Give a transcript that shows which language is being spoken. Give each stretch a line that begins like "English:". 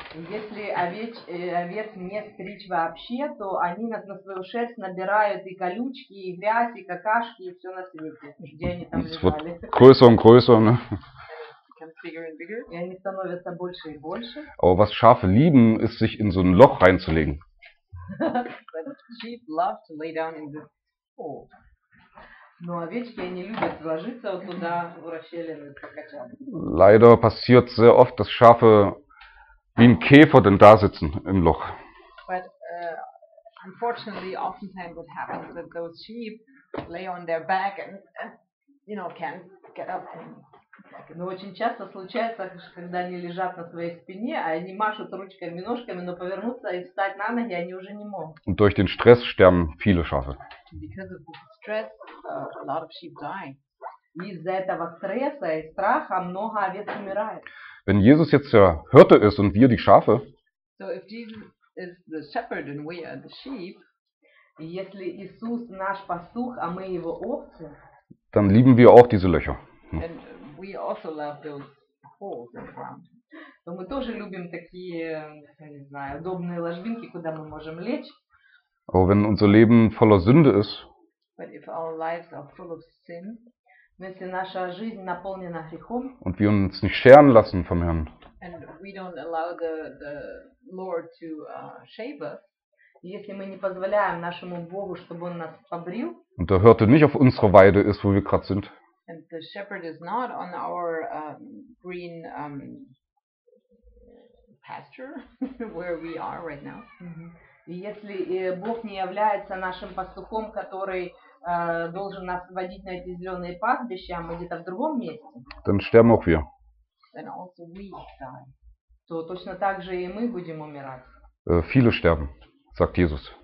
Russian: Если овец не стричь вообще, то они на свою шерсть набирают и колючки, и грязь, и какашки, и все на свете. Где они там лежали?
German: Größer und größer, ne?
English: Becomes bigger and bigger.
Russian: И они становятся больше и больше.
German: Aber was Schafe lieben, ist sich in so ein Loch reinzulegen.
English: Sheep love to lay down in this hole.
Russian: Но овечки, они любят ложиться вот туда, в расщелины, как качан.
German: Leider passiert sehr oft, dass Schafe wie ein Käfer denn da sitzen im Loch.
English: But unfortunately oftentimes what happens that those sheep lay on their back and you know can't get up.
Russian: Но очень часто случается, когда они лежат на своей спине, а они машут ручками, ножками, но повернуться и встать на ноги они уже не могут.
German: Und durch den Stress sterben viele Schafe.
English: Because of the stress, a lot of sheep die.
Russian: Из-за этого стресса и страха много овец умирает.
German: Wenn Jesus jetzt der Hirte ist und wir die Schafe,
English: so if Jesus is the shepherd and we are the sheep,
Russian: если Иисус наш пастух, а мы его овцы,
German: dann lieben wir auch diese Löcher.
English: And we also love those holes in the ground.
Russian: То мы тоже любим такие, не знаю, удобные ложбинки, куда мы можем лечь.
German: Aber wenn unser Leben voller Sünde ist,
English: but if our lives are full of sin,
Russian: если наша жизнь наполнена грехом,
German: und wir uns nicht scheren lassen vom Herrn,
English: and we don't allow the Lord to shave us,
Russian: если мы не позволяем нашему Богу, чтобы он нас побрил,
German: und der Hirte nicht auf unsere Weide ist, wo wir gerade sind,
English: and the shepherd is not on our green pasture where we are right now, mm-hmm.
Russian: если Бог не является нашим пастухом, который должен нас водить на эти зеленые пастбища, а мы где-то в другом месте.
German: Dann sterben auch wir.
English: Then also we die.
Russian: То точно так же и мы будем умирать.
German: Viele sterben, sagt Jesus.